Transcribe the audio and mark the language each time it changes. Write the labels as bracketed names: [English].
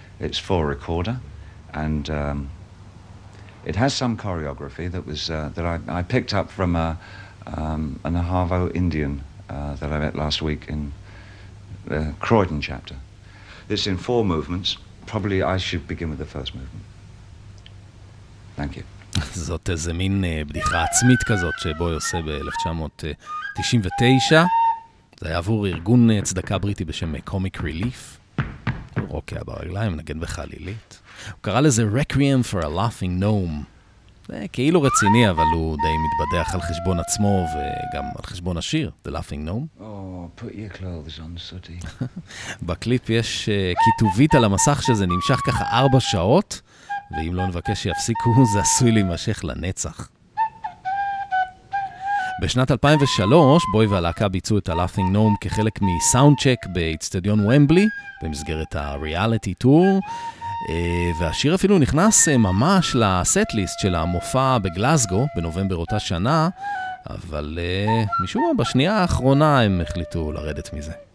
[English] It's for a recorder, and it has some choreography that was that I picked up from a Navajo Indian that I met last week in the Croydon chapter. It's in four movements. Probably I should begin with the first movement. Thank you. [Hebrew] זאת איזה מין בדיחה עצמית כזאת שבוי עושה ב-1999. זה היה עבור ארגון צדקה בריטי בשם Comic Relief. הוא רוקע ברגליים, נגן בחלילית. הוא קרא לזה Requiem for a Laughing Gnome. זה כאילו רציני, אבל הוא די מתבדח על חשבון עצמו וגם על חשבון השיר, The Laughing Gnome. [English] Oh, put your clothes on, sooty. [Hebrew] בקליפ יש כיתובית על המסך שזה נמשך ככה 4 שעות, ואם לא נבקש שיפסיקו, זה עשוי להימשך לנצח. בשנת 2003, בוי והלהקה ביצעו את ה-Laughing Gnome כחלק מסאונדצ'ק באצטדיון ומבלי, במסגרת הריאליטי טור, והשיר אפילו נכנס ממש לסט-ליסט של המופע בגלאזגו, בנובמבר אותה שנה, אבל משום מה, בשנייה האחרונה הם החליטו לרדת מזה.